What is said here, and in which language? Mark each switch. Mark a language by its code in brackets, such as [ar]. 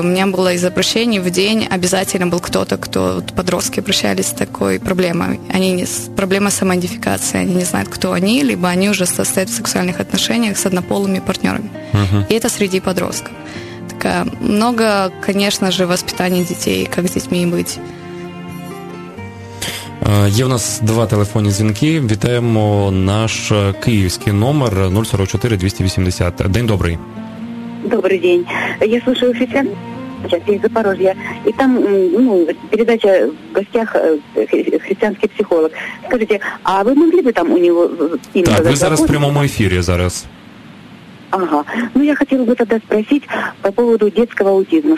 [ru] У меня было из обращений в день обязательно был кто-то, кто вот подростки обращались с такой проблемой. Они не, проблема самоидентификации. Они не знают, кто они, либо они уже состоят в сексуальных отношениях с однополыми партнерами. Uh-huh. И это среди подростков. Такая, много, конечно же, воспитания детей, как с детьми быть. [uk] Є в нас два телефонні дзвінки. Вітаємо наш київський номер 044-280. День добрий. [ru] Добрый день. Я слушаю офицер. Сейчас я из Запорожья. И там, ну, передача в гостях христианский психолог. Скажите, а вы могли бы там у него имя? Так, вы зараз в прямом эфире зараз. Ага. Ну, я хотела бы тогда спросить по поводу детского аутизма.